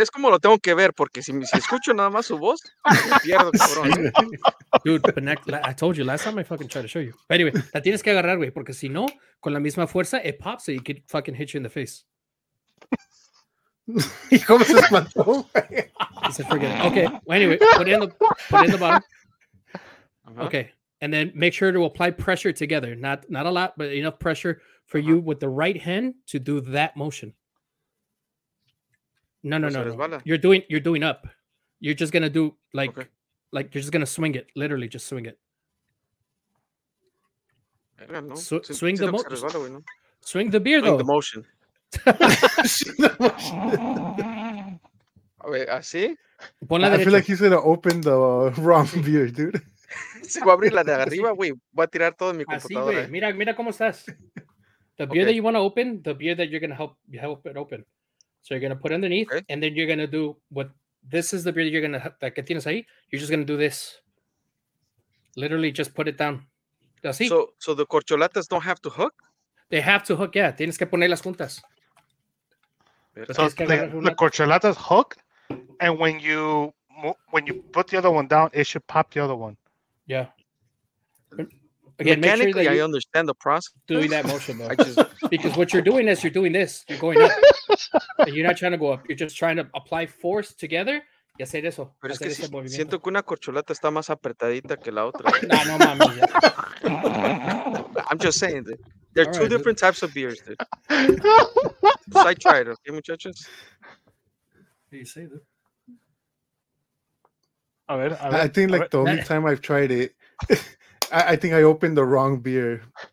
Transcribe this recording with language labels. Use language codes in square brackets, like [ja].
[es] Es como lo tengo que ver, porque si escucho nada más su voz, pierdo, cabrón. [en] Dude, but I told you last time I fucking tried to show you. But anyway, [es] la tienes que agarrar, güey, porque si no, con la misma fuerza, [en] it pops so you could fucking hit you in the face. [es] ¿Y cómo se espantó? [en] I said, forget it. Okay, well, anyway, put it in the bottom. Uh-huh. Okay. And then make sure to apply pressure together. Not a lot, but enough pressure for you with the right hand to do that motion. No. You're doing up. You're just going to do like you're just going to swing it. Literally, just swing it. Swing the beer, though. Swing the motion. Wait, [es] así? Pon la derecha. [en] I feel like he's going to open the wrong beer, dude. [es] Si voy a abrir la de arriba, güey, voy a tirar todo en mi computadora. Así, mira cómo estás. [en] The beer that you want to open, the beer that you're going to help it open. So you're going to put underneath, and then you're going to do what, this is the beer that you're going to, [es] que tienes ahí, [en] you're just going to do this. Literally, just put it down. [es] Así. [en] So the corcholatas don't have to hook? They have to hook, yeah. [es] Tienes que ponerlas juntas. [en] So the corcholatas hook, and when you put the other one down, it should pop the other one. Yeah. Again, mechanically, make sure that I understand the process. Doing that motion, though. Because what you're doing is you're doing this. You're going up. And you're not trying to go up. You're just trying to apply force together [es] y hacer eso. Pero hacer es que si, siento que una corcholata está más apretadita que la otra. No, no mames. [en] I'm just saying, dude. There are two different types of beers, dude. Side trader, ¿ok, [es] muchachos? Sí, sí, [en] dude. [es] A ver, a ver. [en] I think like the only time I've tried it, I think I opened the wrong beer.